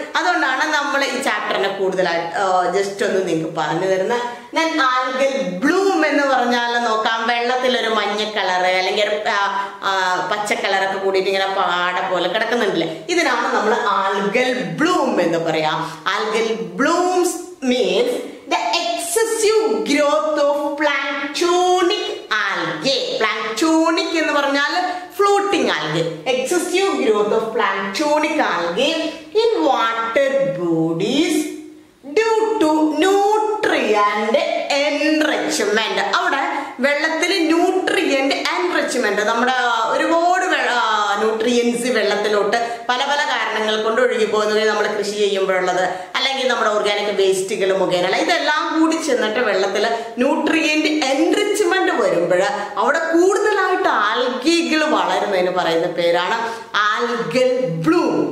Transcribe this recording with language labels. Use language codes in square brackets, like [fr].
[ml] അതുകൊണ്ടാണ് നമ്മൾ ഈ ചാപ്റ്ററിനെ കൂടുതലായിട്ട് ജസ്റ്റ് ഒന്ന് നിങ്ങൾക്ക് പറഞ്ഞു തരുന്നത്. ഞാൻ ആൽഗൽ ബ്ലൂം എന്ന് പറഞ്ഞാൽ നോക്കാം, വെള്ളത്തിലൊരു മഞ്ഞ കളർ അല്ലെങ്കിൽ ഒരു പച്ചക്കളറൊക്കെ കൂടിയിട്ട് ഇങ്ങനെ പാട പോലെ കിടക്കുന്നുണ്ടല്ലേ, ഇതിനാണ് നമ്മൾ ആൽഗൽ ബ്ലൂം എന്ന് പറയാം. [en] Algal blooms means the excessive growth of planktonic algae. Planktonic [ml] എന്ന് പറഞ്ഞാൽ [en] floating algae. Excessive growth of planktonic algae in water bodies due to nutrient enrichment. [ml] അവിടെ വെള്ളത്തിൽ nutrient enrichment, നമ്മുടെ ഒരുപാട് ന്യൂട്രിയൻസ് വെള്ളത്തിലോട്ട് പല പല കാരണങ്ങൾ കൊണ്ട് ഒഴുകി പോകുന്നത്, നമ്മൾ കൃഷി ചെയ്യുമ്പോഴുള്ളത് അല്ലെങ്കിൽ നമ്മുടെ ഓർഗാനിക് വേസ്റ്റുകൾ മുഖേന ഇതെല്ലാം കൂടി ചെന്നിട്ട് വെള്ളത്തിൽ ന്യൂട്രിയൻ്റ് എൻറിച്ച്മെൻ്റ് വരുമ്പോൾ അവിടെ കൂടുതലായിട്ട് ആൽഗികൾ വളരുന്നതിന് പറയുന്ന പേരാണ് ആൽഗൽ ബ്ലൂം.